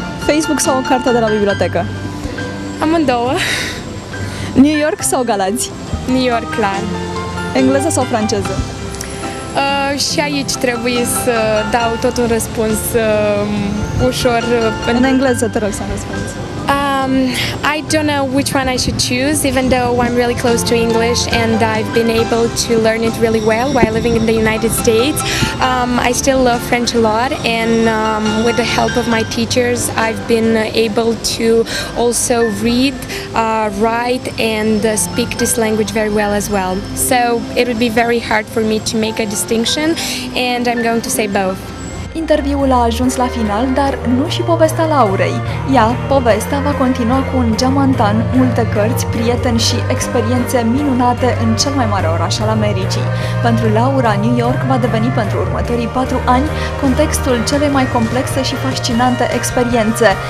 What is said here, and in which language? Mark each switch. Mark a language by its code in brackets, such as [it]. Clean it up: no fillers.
[ro] Facebook sau o carte de la bibliotecă? Amândouă. New York sau Galați? New York, clar. Engleză sau franceză? Și aici trebuie să dau tot un răspuns ușor. În engleză, te rog să-mi răspunzi. [en] I don't know which one I should choose, even though I'm really close to English and I've been able to learn it really well while living in the United States. I still love French a lot, and with the help of my teachers, I've been able to also read, write, and speak this language very well as well. So it would be very hard for me to make a distinction, and I'm going to say both. [ro] Interviul a ajuns la final, dar nu și povestea Laurei. Ea, povestea, va continua cu un geamantan, multe cărți, prieteni și experiențe minunate în cel mai mare oraș al Americii. Pentru Laura, New York va deveni pentru următorii 4 ani contextul celei mai complexe și fascinante experiențe.